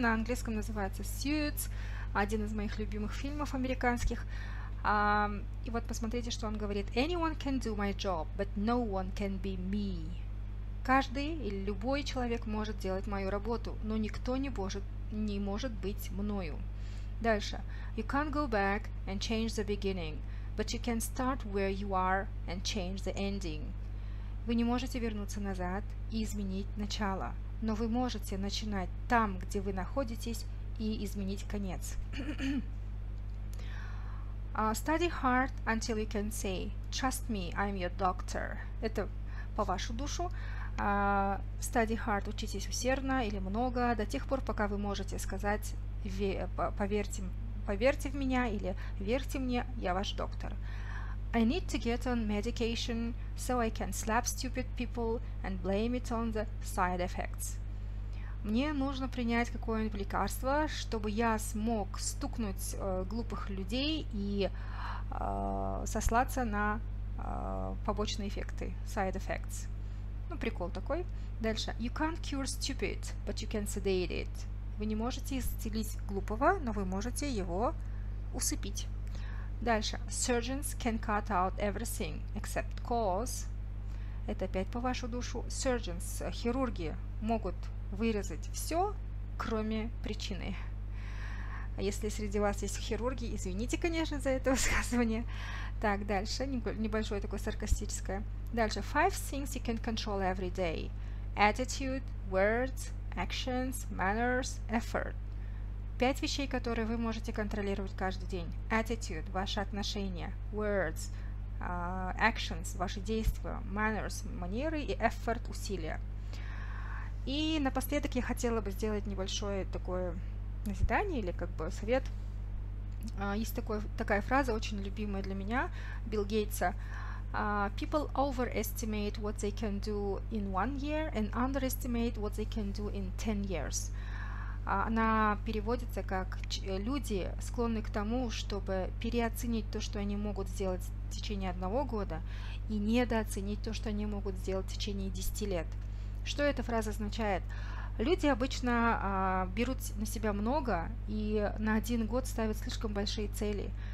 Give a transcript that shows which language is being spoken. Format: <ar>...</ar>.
<ru>На английском называется «Suits», один из моих любимых фильмов американских. И вот посмотрите, что он говорит.</ru> <en>Anyone can do my job, but no one can be me.</en> <ru>Каждый или любой человек может делать мою работу, но никто не может быть мною. Дальше.</ru> <en>You can't go back and change the beginning, but you can start where you are and change the ending.</en> <ru>Вы не можете вернуться назад и изменить начало, но вы можете начинать там, где вы находитесь, и изменить конец.</ru> <en>Study hard until you can say, trust me, I'm your doctor.</en> <ru>Это по вашу душу.</ru> <en>Study hard,</en> <ru>учитесь усердно или много, до тех пор, пока вы можете сказать поверьте в меня или верьте мне, я ваш доктор.</ru> <en>I need to get on medication so I can slap stupid people and blame it on the side effects.</en> <ru>Мне нужно принять какое-нибудь лекарство, чтобы я смог стукнуть глупых людей и сослаться на побочные эффекты,</ru> <en>side effects.</en> <ru>Ну, прикол такой. Дальше.</ru> <en>You can't cure stupid, but you can sedate it.</en> <ru>Вы не можете исцелить глупого, но вы можете его усыпить. Дальше.</ru> <en>Surgeons can cut out everything except cause.</en> <ru>Это опять по вашу душу. Surgeons, хирурги, могут вырезать все, кроме причины. А если среди вас есть хирурги, извините, конечно, за это высказывание. Так, дальше. Небольшое такое саркастическое. Дальше.</ru> <en>Five things you can control every day. Attitude, words, actions, manners, effort.</en> <ru>Пять вещей, которые вы можете контролировать каждый день. Attitude – ваши отношения. Words – actions – ваши действия. Manners – манеры и effort – усилия. И напоследок я хотела бы сделать небольшое такое назидание или как бы совет. Есть такая фраза, очень любимая для меня, Билл Гейтса.</ru> <en>People overestimate what they can do in one year and underestimate what they can do in 10 years.</en> <ru>Она переводится как люди склонны к тому, чтобы переоценить то, что они могут сделать в течение одного года, и недооценить то, что они могут сделать в течение 10 лет. Что эта фраза означает? Люди обычно берут на себя много и на один год ставят слишком большие цели.</ru>